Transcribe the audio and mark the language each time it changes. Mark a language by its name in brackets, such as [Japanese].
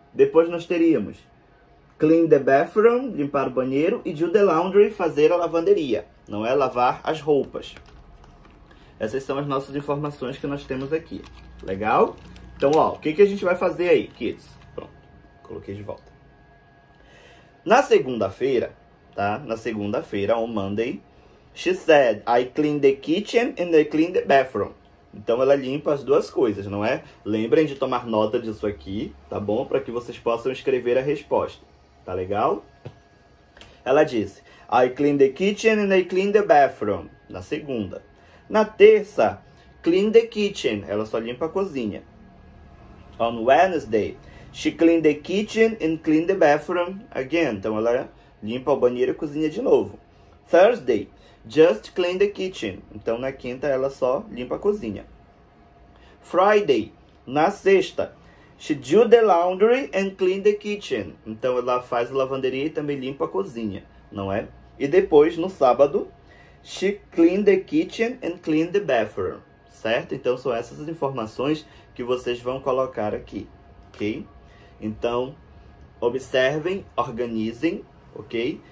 [Portuguese] Depois nós teríamos [English] clean the bathroom, [Portuguese] limpar o banheiro, e [English] do the laundry, [Portuguese] fazer a lavanderia, não é? Lavar as roupas. Essas são as nossas informações que nós temos aqui. Legal? Então, ó, o que que a gente vai fazer aí, kids? Pronto, coloquei de volta. Na segunda-feira, tá? Na segunda-feira, [English] on Monday, she said, I clean the kitchen and I clean the bathroom. [Portuguese] Então ela limpa as duas coisas, não é? Lembrem de tomar nota disso aqui, tá bom? Para que vocês possam escrever a resposta. Tá legal? Ela disse, [English] I clean the kitchen and I clean the bathroom. [Portuguese] Na segunda. Na terça, [English] clean the kitchen. [Portuguese] Ela só limpa a cozinha. [English] On Wednesday, She cleaned the kitchen and cleaned the bathroom again. [Portuguese] Então ela limpa o banheiro e cozinha de novo. [English] Thursday, just clean the kitchen. [Portuguese] Então na quinta ela só limpa a cozinha. [English] Friday, [Portuguese] na sexta, [English] she do the laundry and clean the kitchen. [Portuguese] Então ela faz a lavanderia e também limpa a cozinha, não é? E depois no sábado, [English] she clean the kitchen and clean the bathroom. [Portuguese] Certo? Então são essas as informações que vocês vão colocar aqui, ok? Então observem, organizem, ok?